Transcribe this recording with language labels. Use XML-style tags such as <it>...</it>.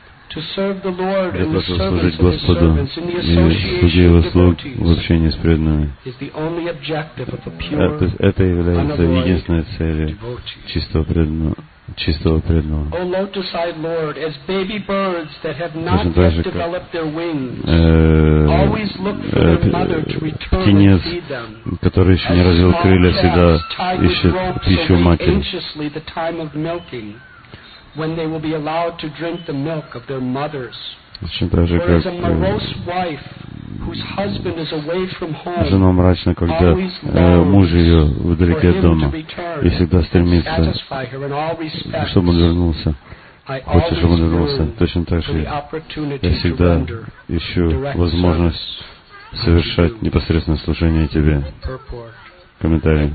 <en>To serve the Lord in the service of the servants, in the association of devotees, is the only objective of a pure, unalloyed devotee.</en> <ru>Чистого преданного.</ru> <en>О, лотос-айд Лорд, as baby birds that have not yet developed their wings, always look for their mother to return and feed them.</en> <ru>Птенец, который еще не развил крылья, всегда ищет пищу матери.</ru> <en>Anxiously the time of milking, when they will be allowed to drink the milk of their mothers. Whereas a morose wife, whose husband is away from home,</en> <ru>жена мрачна, когда муж ее вдалеке от дома, и всегда стремится, чтобы он вернулся, хочет, чтобы он вернулся. Точно так же я всегда ищу возможность совершать непосредственное служение тебе. Комментарий.</ru>